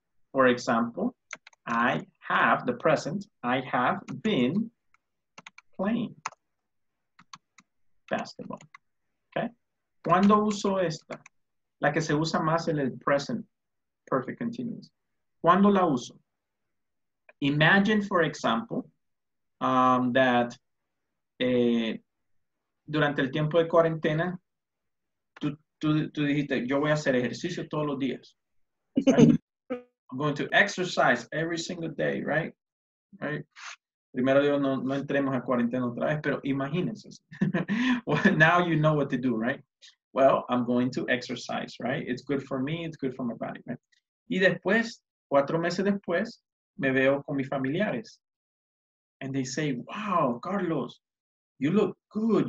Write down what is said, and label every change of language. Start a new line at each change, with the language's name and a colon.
English: For example, I have, the present, I have been playing basketball.
Spanish: Okay. ¿Cuándo uso esta? La que se usa más en el present. Perfect continuous. ¿Cuándo la uso?
English: Imagine, for example, that
Spanish: durante el tiempo de cuarentena, tú dijiste, yo voy a hacer ejercicio todos los días. Right?
English: I'm going to exercise every single day, right? Right?
Spanish: Primero Dios, no entremos a cuarentena otra vez, pero imagínense.
English: Well, now you know what to do, right? Well, I'm going to exercise, right? It's good for me, it's good for my body, right?
Spanish: Y después, 4 meses después, me veo con mis familiares.
English: And they say, wow, Carlos, you look good.